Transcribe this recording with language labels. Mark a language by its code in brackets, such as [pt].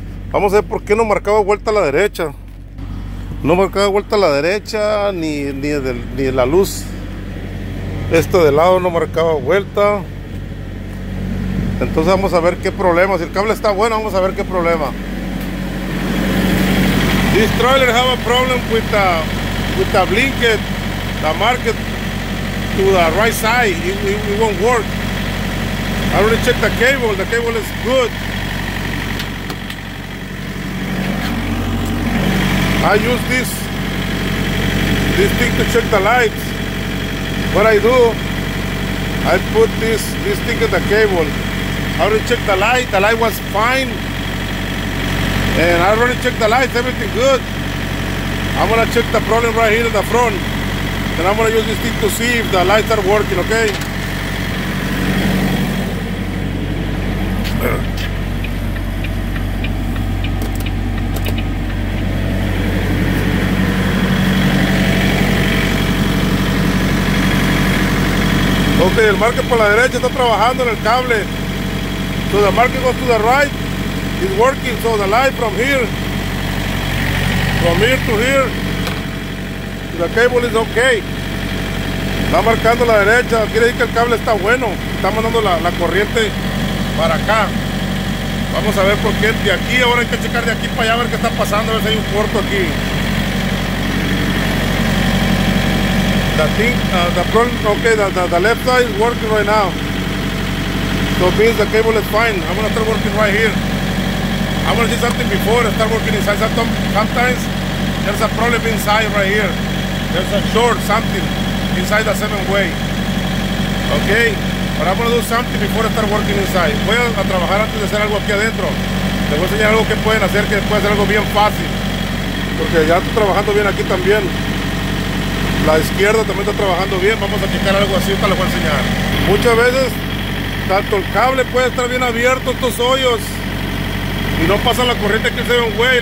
[es] Vamos a ver por qué no marcaba vuelta a la derecha. No marcaba vuelta a la derecha, ni la luz. Esto de lado no marcaba vuelta. Entonces vamos a ver qué problema. Si el cable está bueno, vamos a ver qué problema. [en] This trailer have a problem with the blinket. The market to the right side, it won't work. I already checked the cable is good. I use this thing to check the lights. What I do, I put this thing in the cable. I already checked the light was fine. And I already checked the lights, everything good. I'm gonna check the problem right here in the front. And I'm gonna use this thing to see if the lights are working, okay? [es] Okay, el market por la derecha está trabajando en el cable. [en] So the market goes to the right, it's working, so the light from here to here, the cable is okay. [es] Está marcando la derecha, quiere decir que el cable está bueno, está mandando la corriente para acá. Vamos a ver por qué de aquí, ahora hay que checar de aquí para allá a ver qué está pasando, a ver si hay un corto aquí. [en] The left side is working right now. So it means the cable is fine. I'm gonna start working right here. I'm gonna see something before I start working inside. Sometimes there's a problem inside right here. There's a short something inside the seven way. Okay, but I'm gonna do something before I start working inside. [es] Voy a trabajar antes de hacer algo aquí adentro. Les voy a enseñar algo que pueden hacer, que puede ser algo bien fácil. Porque ya estoy trabajando bien aquí también. La izquierda también está trabajando bien. Vamos a quitar algo así para les voy a enseñar. Muchas veces, tanto el cable puede estar bien abierto, estos hoyos, y no pasa la corriente que se ve un güey.